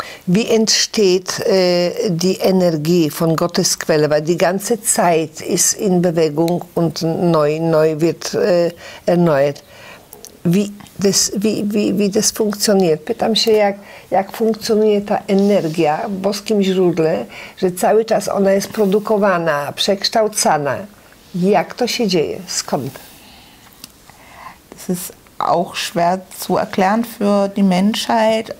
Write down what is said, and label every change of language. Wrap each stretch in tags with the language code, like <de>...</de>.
<de>Wie entsteht die Energie von Gottes Quelle? Weil die ganze Zeit ist in Bewegung und neu wird erneuert. Wie das funktioniert?</de> <pl>Pytam się, jak funkcjonuje ta energia w boskim źródle, że cały czas ona jest produkowana, przekształcana. Jak to się dzieje? Skąd?</pl> <de>Das ist auch schwer zu erklären für die Menschheit.</de>